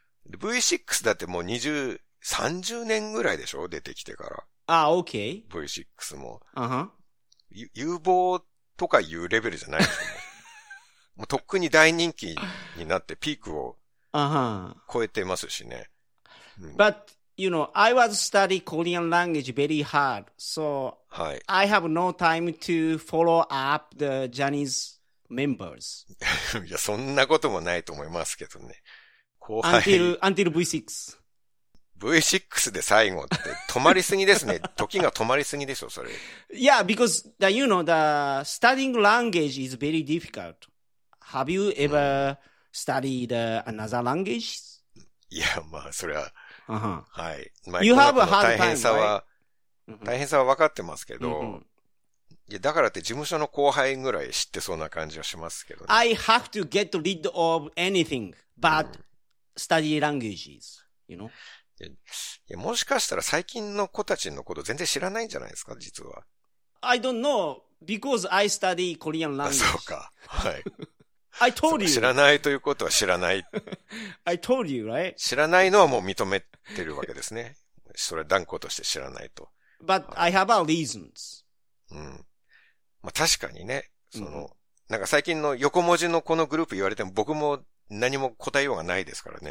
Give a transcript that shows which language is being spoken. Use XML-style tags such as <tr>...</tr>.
<ja>V6 だってもう20、30年ぐらいでしょ出てきてから。ああ、OK。 V6 も。あは。有望とかいうレベルじゃないですよ、ね。もうとっくに大人気になってピークを超えてますしね。</ja> <en>But you know, I was study Korean language very hard, so、</en> <ja>はい、</ja> <en>I have no time to follow up the Japanese members.</en> <ja>いや、そんなこともないと思いますけどね。後輩。</ja> <en>Until V6.</en> <ja>V6 で最後って止まりすぎですね。時が止まりすぎでしょ、それ。</ja> <en>Yeah, because the, you know, the studying language is very difficult. Have you ever studied another language?</en> <ja>いや、まあ、それは。 Uh-huh. はい。まあ、</ja> <en>you have a hard time,</en> <ja>大変さは、</ja> <en>right?</en> <ja>大変さは分かってますけど、mm-hmm. いや、だからって事務所の後輩ぐらい知ってそうな感じはしますけどね。</ja> <en>I have to get rid of anything but study languages, you know?</en> <ja>いや、もしかしたら最近の子たちのこと全然知らないんじゃないですか、実は。</ja> <en>I don't know because I study Korean language.</en> <ja>そうか。はい。</ja> <en>I told you.</en> <ja>知らないということは知らない。</ja> <en>I told you, right?</en> <ja>知らないのはもう認めてるわけですね。それは断固として知らないと。</ja> <en>But I have our reasons.</en> <ja>うん。まあ確かにね、その、mm-hmm. なんか最近の横文字のこのグループ言われても僕も何も答えようがないですからね。</ja>